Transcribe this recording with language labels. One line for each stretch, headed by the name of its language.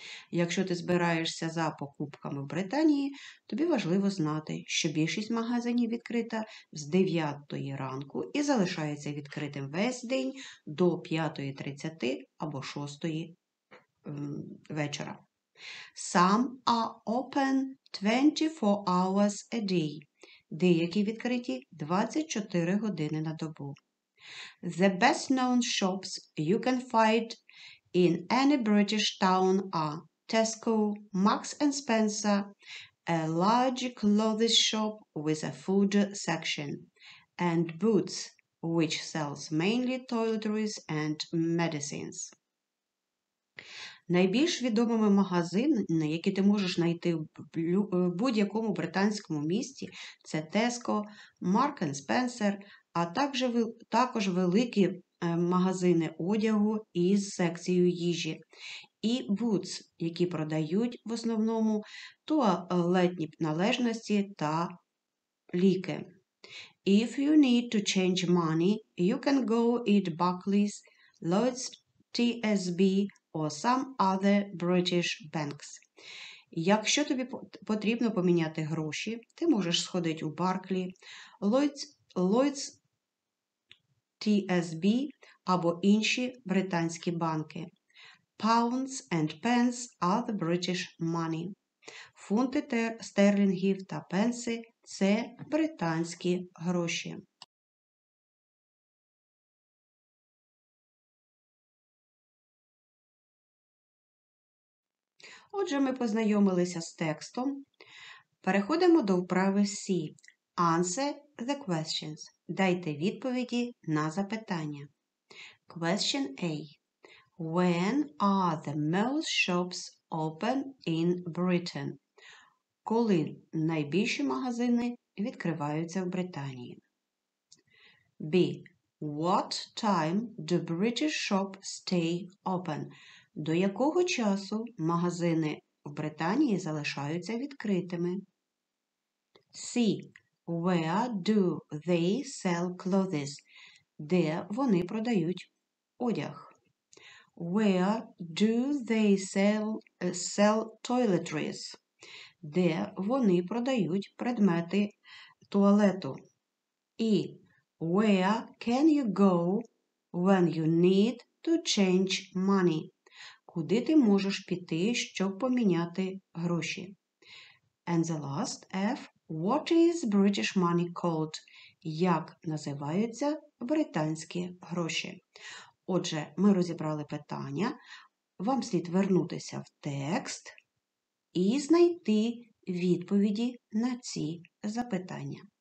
Ukrainian: Якщо ти збираєшся за покупками в Британії, тобі важливо знати, що більшість магазинів відкрита з 9 ранку і залишається відкритим весь день до 5:30 або 6 вечора.
English: Some are open 24 hours a day.
Ukrainian: Деякі відкриті 24 години на добу.
English: The best known shops you can find in any British town are Tesco, Marks and Spencer, a large clothes shop with a food section, and Boots, which sells mainly toiletries and medicines.
Ukrainian: Найбільш відомими магазинами, які ти можеш знайти в будь-якому британському місті, це Tesco, Marks and Spencer, а також великі магазини одягу із секцією їжі. І Boots, які продають в основному туалетні належності та ліки.
English: If you need to change money, you can go eat Barclays, Lloyd's TSB, or some other British banks.
Ukrainian: Якщо тобі потрібно поміняти гроші, ти можеш сходити у Barclays, Lloyd's TSB або інші британські банки.
English: Pounds and pence are the British money.
Ukrainian: Фунти стерлінгів та пенси – це британські гроші. Отже, ми познайомилися з текстом. Переходимо до вправи C.
English: Answer the questions.
Ukrainian: Дайте відповіді на запитання.
English: Question A. When are the most shops open in Britain?
Ukrainian: Коли найбільші магазини відкриваються в Британії?
English: B. What time do British shops stay open?
Ukrainian: До якого часу магазини в Британії залишаються відкритими?
English: C. Where do they sell clothes?
Ukrainian: Де вони продають одяг?
English: Where do they sell toiletries?
Ukrainian: Де вони продають предмети туалету?
English: І where can you go when you need to change money?
Ukrainian: Куди ти можеш піти, щоб поміняти гроші?
English: And the last F. What is British money called?
Ukrainian: Як називаються британські гроші? Отже, ми розібрали питання. Вам слід вернутися в текст і знайти відповіді на ці запитання.